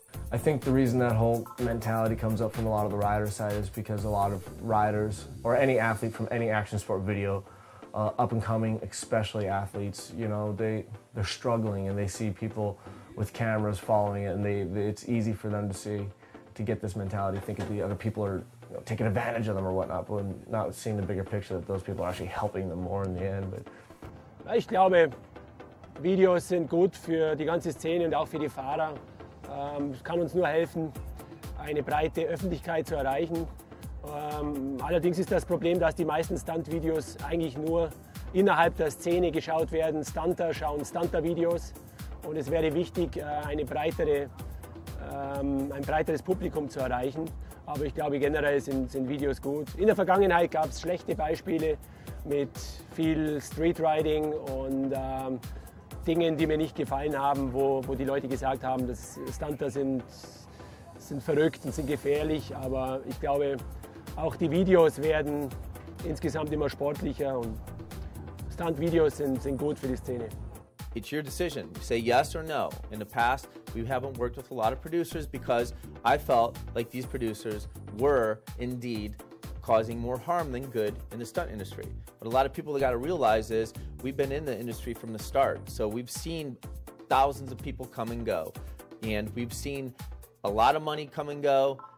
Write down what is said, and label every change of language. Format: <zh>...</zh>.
<en>I think the reason that whole mentality comes up from a lot of the rider side is because a lot of riders, or any athlete from any action sport video, up and coming, especially athletes, you know, they're struggling and they see people with cameras following it, and it's easy for them to get this mentality, thinking the other people are, you know, taking advantage of them or whatnot, but not seeing the bigger picture that those people are actually helping them more in the end. But</en> <de>ich glaube, Videos sind gut für die ganze Szene und auch für die Fahrer. Es kann uns nur helfen, eine breite Öffentlichkeit zu erreichen. Allerdings ist das Problem, dass die meisten Stunt-Videos eigentlich nur innerhalb der Szene geschaut werden. Stunter schauen Stunter-Videos. Und es wäre wichtig, ein breiteres Publikum zu erreichen. Aber ich glaube, generell sind Videos gut. In der Vergangenheit gab es schlechte Beispiele mit viel Street-Riding und Dingen, die mir nicht gefallen haben, wo die Leute gesagt haben, dass Stunter sind verrückt und sind gefährlich. Aber ich glaube, auch die Videos werden insgesamt immer sportlicher und Stunt-Videos sind gut für die Szene.</de> <en>It's your decision. You say yes or no. In the past, we haven't worked with a lot of producers because I felt like these producers were indeed causing more harm than good in the stunt industry. But a lot of people gotta realize is we've been in the industry from the start. So we've seen thousands of people come and go. And we've seen a lot of money come and go.</en>